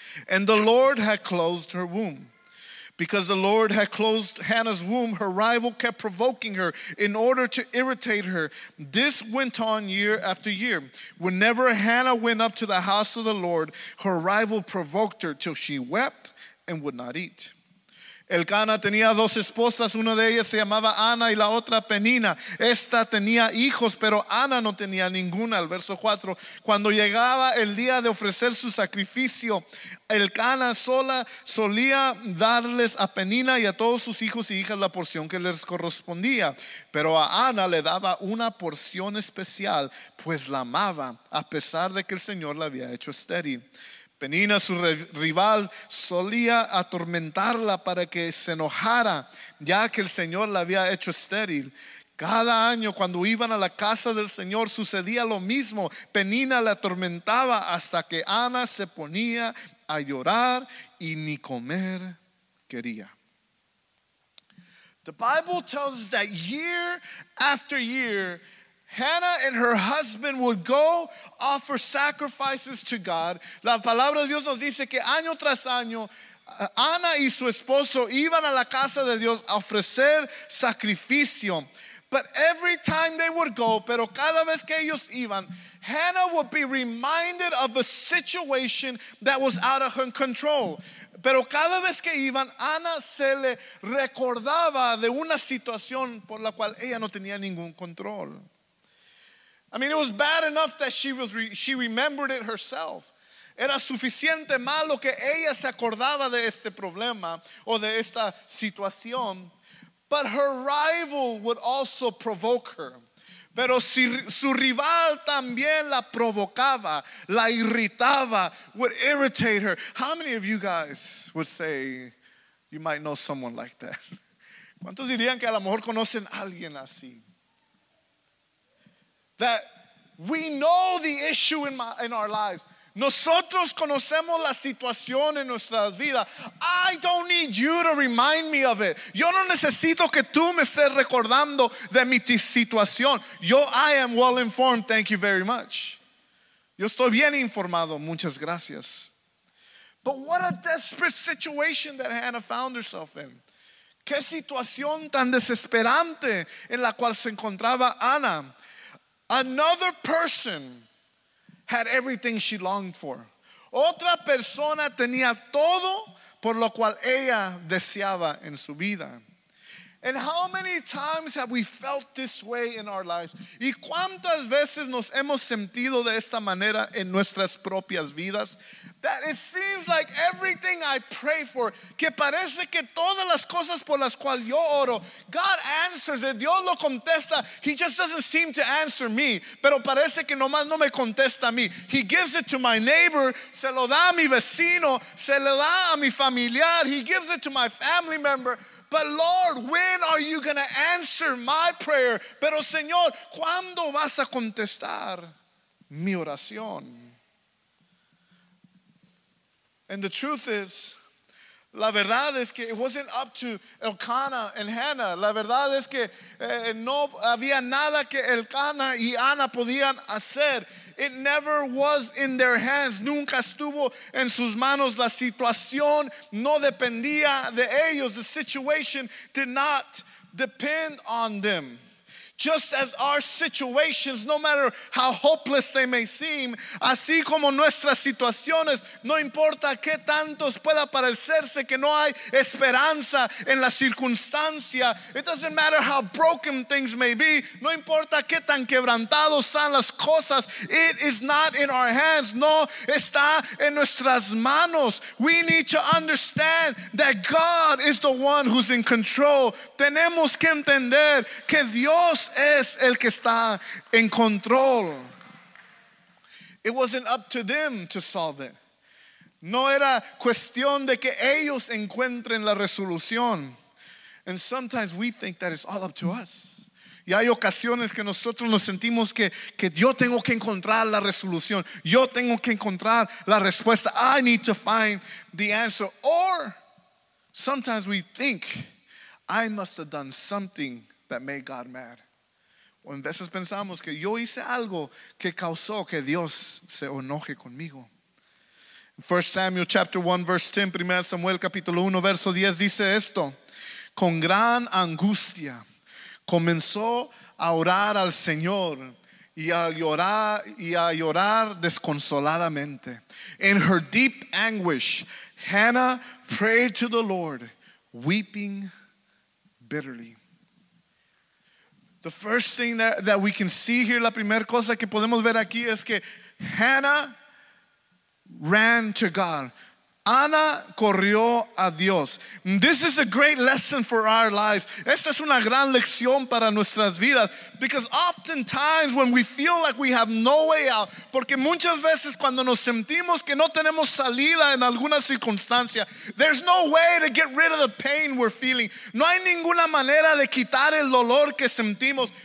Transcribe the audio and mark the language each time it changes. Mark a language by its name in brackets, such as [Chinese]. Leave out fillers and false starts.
[English] And the Lord had closed her womb. Because the Lord had closed Hannah's womb, her rival kept provoking her in order to irritate her. This went on year after year. Whenever Hannah went up to the house of the Lord, her rival provoked her till she wept and would not eat. [Spanish] Elkanah tenía dos esposas, una de ellas se llamaba Ana y la otra Peninnah. Esta tenía hijos, pero Ana no tenía ninguna. El verso 4, cuando llegaba el día de ofrecer su sacrificio, Elkanah sola solía darles a Peninnah y a todos sus hijos y hijas la porción que les correspondía. Pero a Ana le daba una porción especial, pues la amaba, a pesar de que el Señor la había hecho estéril. Peninnah, su rival, solía atormentarla para que se enojara, ya que el Señor la había hecho estéril. Cada año, cuando iban a la casa del Señor, sucedía lo mismo. Peninnah la atormentaba hasta que Ana se ponía a llorar y ni comer quería. [English] The Bible tells us that year after year, Hannah and her husband would go offer sacrifices to God. [Spanish] La palabra de Dios nos dice que año tras año, Ana y su esposo iban a la casa de Dios a ofrecer sacrificio. [English] But every time they would go, [Spanish] pero cada vez que ellos iban, [English] Hannah would be reminded of a situation that was out of her control. [Spanish] Pero cada vez que iban, Ana se le recordaba de una situación por la cual ella no tenía ningún control. [English] I mean, it was bad enough that she remembered it herself. [Spanish] Era suficiente malo que ella se acordaba de este problema o de esta situación. [English] But her rival would also provoke her. [Spanish] Pero si su rival también la provocaba, la irritaba, [English] would irritate her. How many of you guys would say you might know someone like that? [Spanish] ¿Cuántos dirían que a lo mejor conocen a alguien así? [English] That We know the issue in our lives. [Spanish] Nosotros conocemos la situación en nuestras vidas. [English] I don't need you to remind me of it. [Spanish] Yo no necesito que tú me estés recordando de mi situación. [English] Yo, I am well informed, thank you very much. [Spanish] Yo estoy bien informado, muchas gracias. [English] But what a desperate situation that Hannah found herself in. [Spanish] Qué situación tan desesperante en la cual se encontraba Ana. [English] Another person had everything she longed for. [Spanish] Otra persona tenía todo por lo cual ella deseaba en su vida. [English] And how many times have we felt this way in our lives? [Spanish] ¿Y cuántas veces nos hemos sentido de esta manera en nuestras propias vidas? [English] That it seems like everything I pray for, [Spanish] que parece que todas las cosas por las cuales yo oro, [English] God answers it, [Spanish] Dios lo contesta. [English] He just doesn't seem to answer me, [Spanish] pero parece que nomás no me contesta a mí. [English] He gives it to my neighbor, [Spanish] se lo da a mi vecino, se lo da a mi familiar, [English] he gives it to my family member. But Lord, when are you going to answer my prayer? [Spanish] Pero Señor, ¿cuándo vas a contestar mi oración? [English] And the truth is, [Spanish] la verdad es que [English] it wasn't up to Elkanah and Hannah. [Spanish] La verdad es que no había nada que Elkanah y Ana podían hacer. [English] It never was in their hands. [Spanish] Nunca estuvo en sus manos. La situación no dependía de ellos. [English] The situation did not depend on them. Just as our situations, no matter how hopeless they may seem, [Spanish] así como nuestras situaciones, no importa qué tantos pueda parecerse que no hay esperanza en la circunstancia, [English] it doesn't matter how broken things may be, [Spanish] no importa qué tan quebrantados sean las cosas, [English] it is not in our hands, [Spanish] no está en nuestras manos. [English] We need to understand that God is the one who's in control. [Spanish] Tenemos que entender que Dios es el que está en control. [English] It wasn't up to them to solve it. [Spanish] No era cuestión de que ellos encuentren la resolución. [English] And sometimes we think that it's all up to us. [Spanish] Y hay ocasiones que nosotros nos sentimos que yo tengo que encontrar la resolución. Yo tengo que encontrar la respuesta. [English] I need to find the answer. Or sometimes we think I must have done something that made God mad. [Spanish] O en veces pensamos que yo hice algo que causó que Dios se enoje conmigo. [English] 1 Samuel chapter 1 verse 10, [Spanish] 1 Samuel capítulo 1 verso 10 dice esto: con gran angustia comenzó a orar al Señor y a llorar desconsoladamente. [English] In her deep anguish, Hannah prayed to the Lord, weeping bitterly. The first thing that we can see here, [Spanish] la primera cosa que podemos ver aquí es que [English] Hannah ran to God. [Spanish] Ana corrió a Dios. [English] This is a great lesson for our lives. [Spanish] Esta es una gran lección para nuestras vidas. [English] Because oftentimes when we feel like we have no way out, [Spanish] porque muchas veces cuando nos sentimos que no tenemos salida en alguna circunstancia, [English] there's no way to get rid of the pain we're feeling. [Spanish] No hay ninguna manera de quitar el dolor que sentimos.